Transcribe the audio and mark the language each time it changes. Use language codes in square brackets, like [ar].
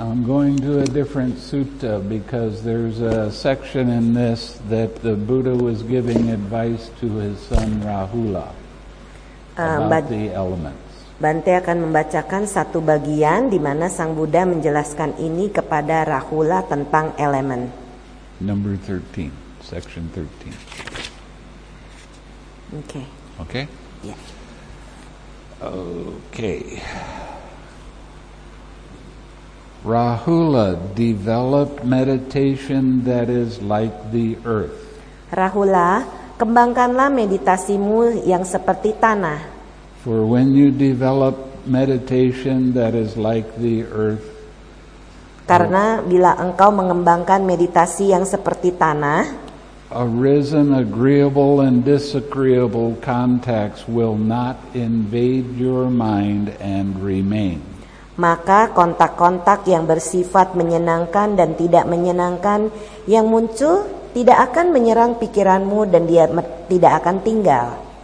[en] I'm going to a different sutta because there's a section in this that the Buddha was giving advice to his son Rahula about the elements. [id] Bante akan membacakan satu bagian di mana Sang Buddha menjelaskan ini kepada Rahula tentang elemen. [en] Number 13, section 13. Okay. Okay? Yeah. Okay. Rahula, develop meditation that is like the earth. [id] Rahula, kembangkanlah meditasimu yang seperti tanah. [en] For when you develop meditation that is like the earth, [id] karena bila engkau mengembangkan meditasi yang seperti tanah, [en] arisen agreeable and disagreeable contacts will not invade your mind and remain. [id] Maka kontak-kontak yang bersifat menyenangkan dan tidak menyenangkan yang muncul tidak akan menyerang pikiranmu dan dia tidak akan tinggal.